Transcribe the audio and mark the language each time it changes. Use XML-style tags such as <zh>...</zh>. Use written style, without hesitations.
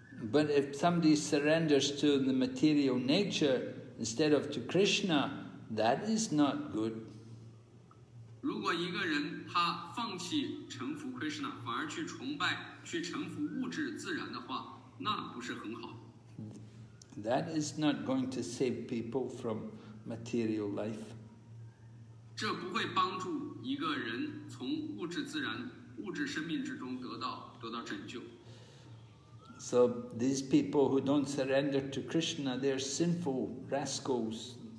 <en>But if somebody surrenders to the material nature instead of to Krishna, that is not good.</en> <zh>如果一个人他放弃臣服 Krishna, 反而去崇拜, 去臣服物质自然的话, 那不是很好。</zh> <en>That is not going to save people from material life.</en> <zh>这不会帮助一个人从物质自然、物质生命之中得到拯救。</zh> <en>So these people who don't surrender to Krishna, they are sinful rascals.</en>